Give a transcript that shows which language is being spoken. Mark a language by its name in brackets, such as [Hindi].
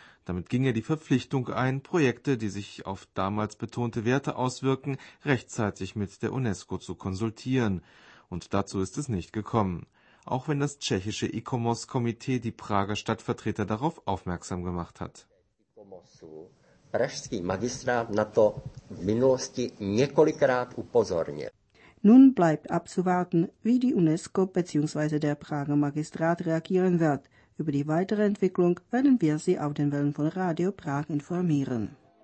[German] Damit ging er die Verpflichtung ein, Projekte, die sich auf damals betonte Werte auswirken, rechtzeitig mit der UNESCO zu konsultieren. Und dazu ist es nicht gekommen. Auch wenn das tschechische ICOMOS-Komitee die Prager Stadtvertreter darauf aufmerksam gemacht hat. [Czech] Pražský magistrát na to v minulosti několikrát upozornil. [German] Nun bleibt abzuwarten, wie die UNESCO bzw. der Prager Magistrat reagieren wird. Über die weitere Entwicklung werden wir Sie auf den Wellen von Radio Prag informieren.